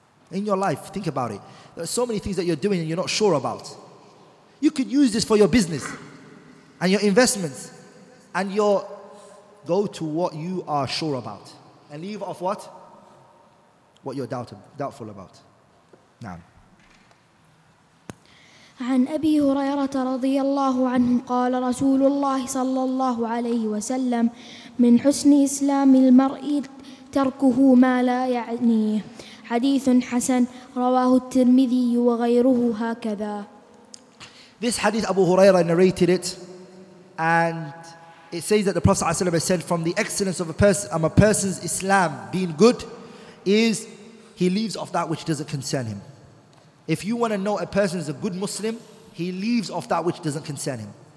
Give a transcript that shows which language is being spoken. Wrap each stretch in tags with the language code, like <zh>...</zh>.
<en>In your life, think about it. There are so many things that you're doing and you're not sure about. You could use this for your business and your investments and your... Go to what you are sure about and leave off what? What you're doubtful about. Now.</en> <ar>عن أبي هريرة رضي الله عنه قال رسول الله صلى الله عليه وسلم من حسن إسلام المرء تركه ما لا يعنيه حديث حسن رواه الترمذي وغيره هكذا.</ar> <en>This hadith Abu Huraira narrated it, and it says that the Prophet ﷺ said, from the excellence of a person's Islam being good is he leaves off that which doesn't concern him. If you want to know a person is a good Muslim, he leaves off that which doesn't concern him.</en>